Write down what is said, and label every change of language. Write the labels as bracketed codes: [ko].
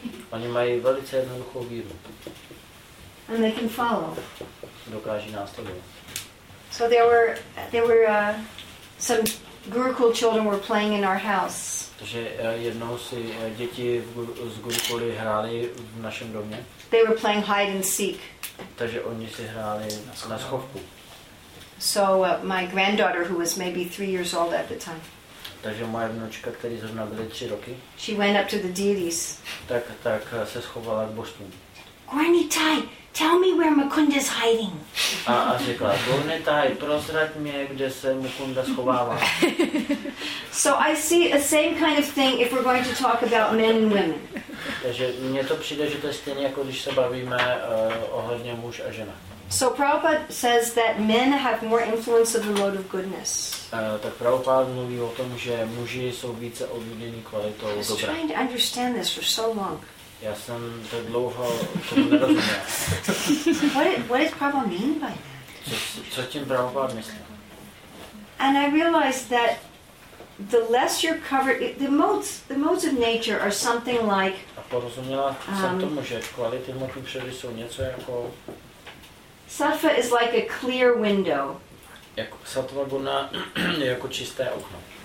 [cs] Oni mají velice jednoduchou víru. [en] And they can follow. [cs] Dokáží následovat. [en] So there were some Gurukul children were playing in our house. [cs] Takže jednou si děti z Gurukuly hráli v našem domě. [en] They were playing hide and seek. [cs] Takže oni si hráli na schovku. [en] So my granddaughter, who was maybe 3 years old at the time. [cs] Takže moje vnučka, který zrovna byly 3 roky. [en] She went up to the deities. [cs] Tak se schovala k božstvům. [en] Granny Tai, tell me where Mukunda's hiding. [cs] A řekla, Granny Tai, prozrať mě, kde se Mukunda schovává. [en] So I see a same kind of thing if we're going to talk about men and women. [cs] Takže mně to přijde, že to je stejně, jako když se bavíme ohledně muž a žena. [en] So Prabhupada says that men have more influence of the mode of goodness. [cs] Tak Prabhupada mluví o tom, že muži jsou více ovlivněni kvalitou dobra. [en] I've been trying to understand this for so long. [cs] Já jsem to dlouho nerozuměl. [en] What does Prabhupada mean by that? [cs] Co tím Prabhupada myslí? [en] And I realized that the less you're covered, the modes of nature are something like [cs] porozuměla jsem tomu, že kvality hmotní přírody jsou něco jako... [en] Sattva is like a clear window. [cs] Jako sattva guna je jako čisté okno.